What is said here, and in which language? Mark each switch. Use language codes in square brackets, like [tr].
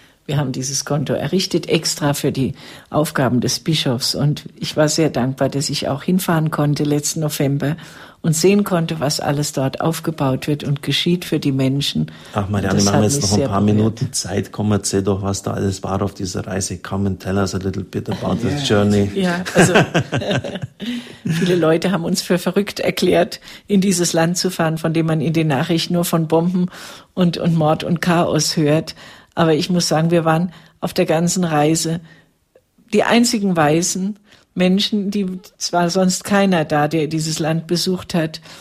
[de] Wir haben dieses Konto errichtet, extra für die Aufgaben des Bischofs. Und ich war sehr dankbar, dass ich auch hinfahren konnte letzten November und sehen konnte, was alles dort aufgebaut wird und geschieht für die Menschen. Ach Marianne, wir haben jetzt noch ein paar Minuten Zeit. Komm, erzähl doch, was da alles war auf dieser Reise. [en] Come and tell us a little bit about the journey. [de] Ja, also viele Leute haben uns für verrückt erklärt, in dieses Land zu fahren, von dem man in den Nachrichten nur von Bomben und Mord und Chaos hört. Aber ich muss sagen, wir waren auf der ganzen Reise die einzigen Weißen, Menschen, die zwar sonst keiner da, der dieses Land besucht hat.